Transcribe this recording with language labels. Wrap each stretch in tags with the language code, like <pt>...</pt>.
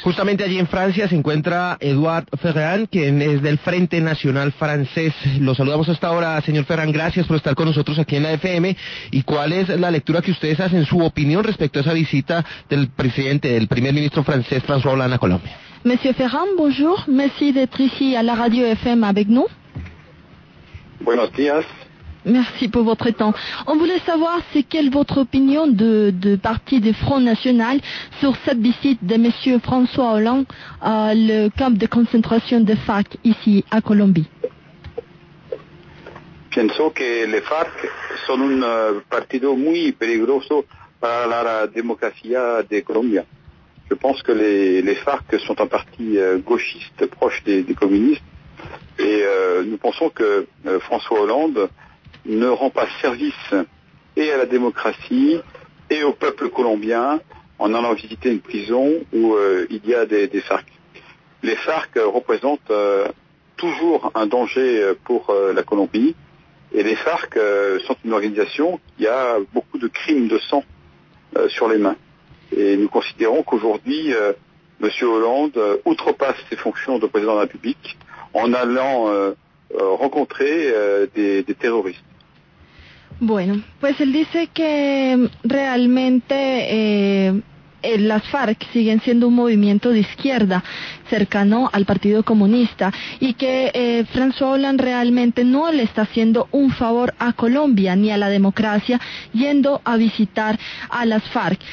<es>Justamente allí en Francia se encuentra Edouard Ferrand, quien es del Frente Nacional francés. Lo saludamos hasta ahora, señor Ferrand, gracias por estar con nosotros aquí en la FM. ¿Y cuál es la lectura que ustedes hacen, su opinión respecto a esa visita del presidente, del primer ministro francés, François Hollande, a Colombia?</es> <fr>Monsieur Ferrand, bonjour. Merci d'être ici à la radio FM avec nous.</fr> <es>Buenos días.</es> <fr>Merci pour votre temps. On voulait savoir c'est quelle votre opinion de partie du Front National sur cette visite de Monsieur François Hollande à le camp de concentration de FARC ici à Colombie.</fr> <es>Pienso que</es> <fr>les FARC sont un</fr> <es>partido muy peligroso para la democracia de Colombia.</es> <fr>Je pense que les FARC sont un parti gauchiste proche des communistes Et nous pensons que François Hollande ne rend pas service et à la démocratie et au peuple colombien en allant visiter une prison où il y a des FARC. Les FARC représentent toujours un danger pour la Colombie. Et les FARC sont une organisation qui a beaucoup de crimes de sang sur les mains. Et nous considérons qu'aujourd'hui, M. Hollande outrepasse ses fonctions de président de la République en allant rencontrer des terroristes.</fr> <es>Bueno, pues él dice que realmente las FARC siguen siendo un movimiento de izquierda cercano al Partido Comunista y que François Hollande realmente no le está haciendo un favor a Colombia ni a la democracia yendo a visitar a las FARC.</es>